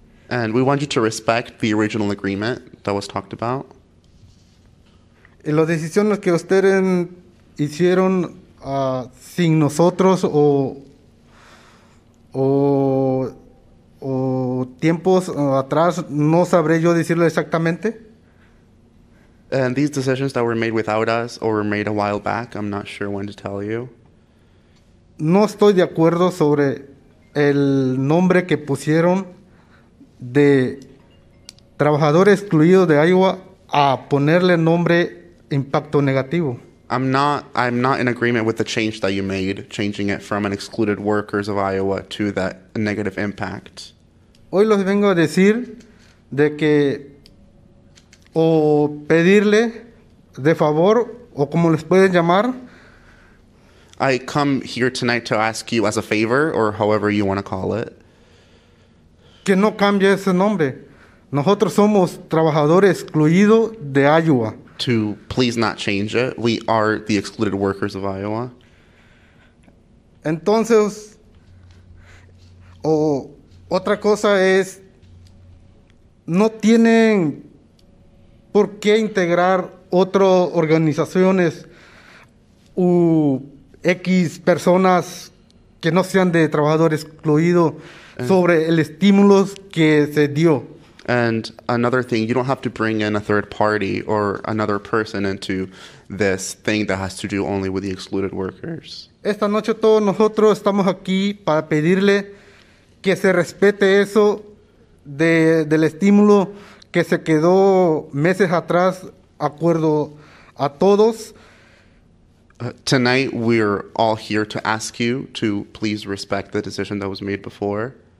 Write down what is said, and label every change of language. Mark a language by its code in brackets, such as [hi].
[en] And we want you to respect the original agreement that was talked about. [es] Y las decisiones que ustedes hicieron sin nosotros o tiempos atrás, no sabré yo decirlo exactamente. [en] And these decisions that were made without us or were made a while back, I'm not sure when to tell you. [es] No estoy de acuerdo sobre el nombre que pusieron de trabajador excluido de Iowa a ponerle nombre impacto negativo. [en] I'm not in agreement with the change that you made, changing it from an excluded workers of Iowa to that negative impact. [es] Hoy los vengo a decir de que o pedirle de favor o como les pueden llamar. [en] I come here tonight to ask you as a favor or however you want to call it. [es] Que no cambie ese nombre. Nosotros somos trabajadores excluidos de Iowa. [en] To please not change it. We are the excluded workers of Iowa. [es] Entonces, otra cosa es, no tienen por qué integrar otras organizaciones u X personas que no sean de trabajadores excluidos sobre el estímulo que se dio. [en] And another thing, you don't have to bring in a third party or another person into this thing that has to do only with the excluded workers. [es] Esta noche todos nosotros estamos aquí para pedirle que se respete eso del estímulo que se quedó meses atrás, acuerdo a todos. [en] Tonight we're all here to ask you to please respect the decision that was made before.